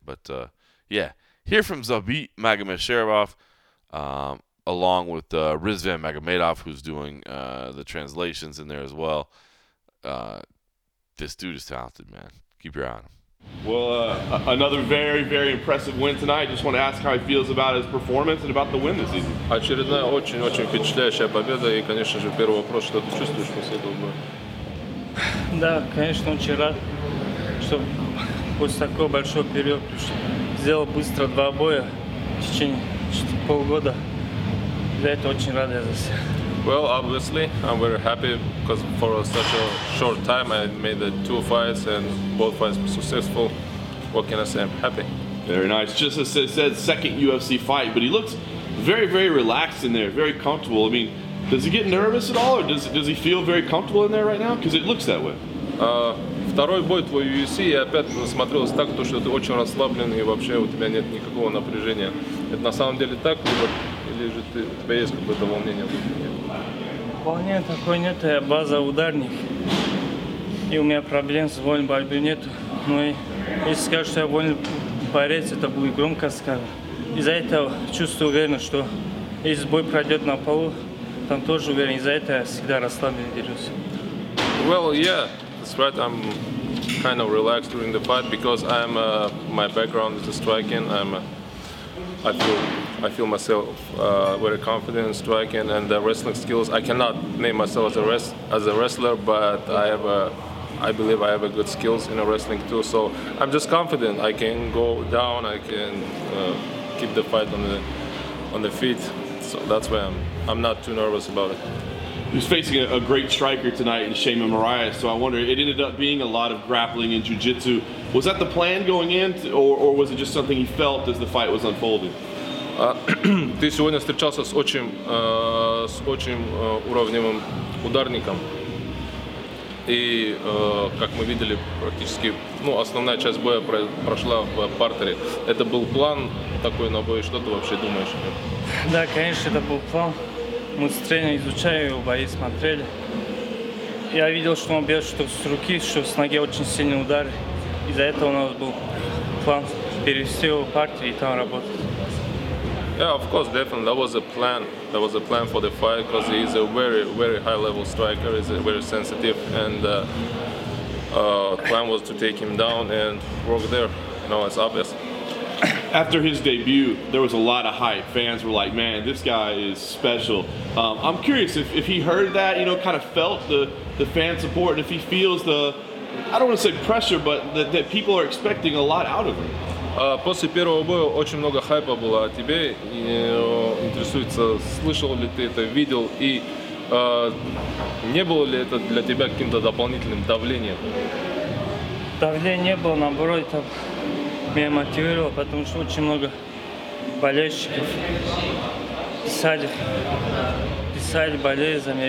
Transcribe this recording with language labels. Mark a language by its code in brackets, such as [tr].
[en] But, yeah, hear from Zabit Magomedsharipov along with Rizvan Magomedov, who's doing the translations in there as well. This dude is talented, man. Keep your eye on him. Well, another very, very impressive win tonight. Just want to ask how he feels about his performance and about the win this season. [ru] Очередная очень-очень впечатляющая победа. И, конечно же, первый вопрос, что ты чувствуешь после этого боя? Да, конечно, очень рад, что после такого большого периода сделал быстро два боя в течение полгода. Для этого очень рад я за себя. [en] Well, obviously, I'm very happy because for such a short time I made the two fights and both fights were successful. What can I say? I'm happy. Very nice. Just as I said, second UFC fight, but he looks very, very relaxed in there, very comfortable. I mean, does he get nervous at all, or does he feel very comfortable in there right now? Because it looks that way. [ru] Второй бой твой UFC, я опять смотрелся так, что ты очень расслаблен и вообще у тебя нет никакого напряжения. Это на самом деле так, или же ты, у тебя есть какое-то волнение? Вполне такой нет, я база ударник. И у меня проблем с вольной борьбой нет. Но если скажешь, что я вольный борец, это будет громко сказано. Из-за этого чувствую уверенность, что если бой пройдет на полу, там тоже уверен. Из-за этого я всегда расслабленно держусь. [en] Well, yeah, that's right. I'm kind of relaxed during the fight because I'm my background is striking. I feel myself very confident in striking and the wrestling skills. I cannot name myself as a wrestler, but I believe I have a good skills in a wrestling too. So I'm just confident. I can go down. I can keep the fight on the feet. So that's why I'm not too nervous about it. He's facing a great striker tonight in Shaman Reyes. So I wonder, it ended up being a lot of grappling and jiu-jitsu. Was that the plan going in, or was it just something he felt as the fight was unfolding? [ru] Ты сегодня встречался с очень уровневым ударником. И, как мы видели, практически, ну, основная часть боя прошла в партере. Это был план такой на бой? Что ты вообще думаешь? Да, конечно, это был план. Мы с тренером изучали его бои, смотрели. Я видел, что он бьет что с руки, что с ноги очень сильный удар. Из-за этого у нас был план перевести его в партере и там работать. [en] Yeah, of course, definitely. That was a plan. That was a plan for the fight because he's a very, very high-level striker. He's very sensitive, and the plan was to take him down and work there. You know, it's obvious. After his debut, there was a lot of hype. Fans were like, "Man, this guy is special." I'm curious if he heard that, you know, kind of felt the fan support, and if he feels the I don't want to say pressure, but that people are expecting a lot out of him. [ru] После первого боя очень много хайпа было о тебе. Интересуется, слышал ли ты это, видел, и не было ли это для тебя каким-то дополнительным давлением? Давления не было, наоборот, это меня мотивировало, потому что очень много болельщиков писали, болели за меня.